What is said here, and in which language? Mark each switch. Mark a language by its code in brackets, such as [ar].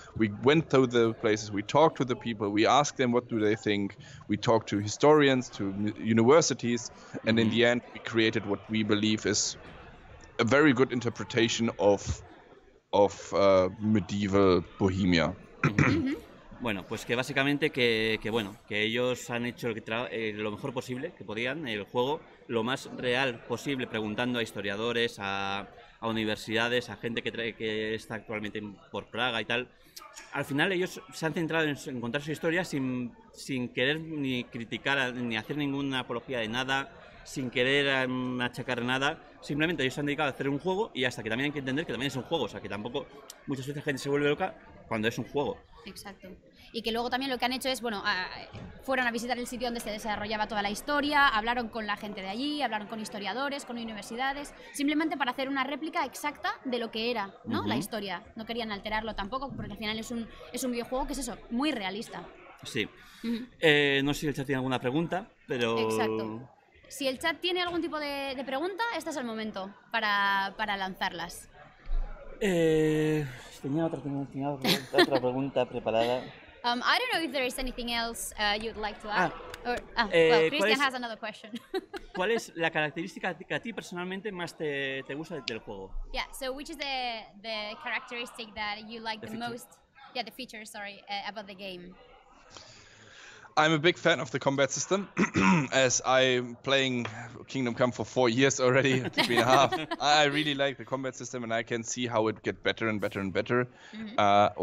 [en] We went to the places, we talked to the people, we asked them what do they think, we talked to historians, to universities, and in the end we created what we believe is a very good interpretation of medieval Bohemia. [es] Bueno, pues que básicamente que bueno, que ellos han hecho lo mejor posible que podían, el juego lo más real posible, preguntando a historiadores, a universidades, a gente que está actualmente por Praga y tal. Al final ellos se han centrado en encontrar su historia sin querer ni criticar ni hacer ninguna apología de nada, sin querer achacar nada. Simplemente ellos se han dedicado a hacer un juego, y hasta que también hay que entender que también es un juego, o sea, que tampoco muchas veces la gente se vuelve loca cuando es un juego. Exacto. Y que luego también lo que han hecho es, bueno, fueron a visitar el sitio donde se desarrollaba toda la historia, hablaron con la gente de allí, hablaron con historiadores, con universidades, simplemente para hacer una réplica exacta de lo que era, ¿no? La historia. No querían alterarlo tampoco, porque al final es un videojuego que es eso, muy realista. Sí. No sé si el chat tiene alguna pregunta, pero... Exacto. Si el chat tiene algún tipo de pregunta, este es el momento para lanzarlas. Tenía otra pregunta preparada. [en] I don't know if there is anything else you'd like to add. Christian has another question. [es] ¿Cuál es la característica que a ti personalmente más te gusta del juego? [en] Yeah, so which is the characteristic that you like the most? Yeah, the feature, sorry, about the game. I'm a big fan of the combat system, as I'm playing Kingdom Come for 4 years already, 3.5. I really like the combat system, and I can see how it get better and better and better. Mm-hmm.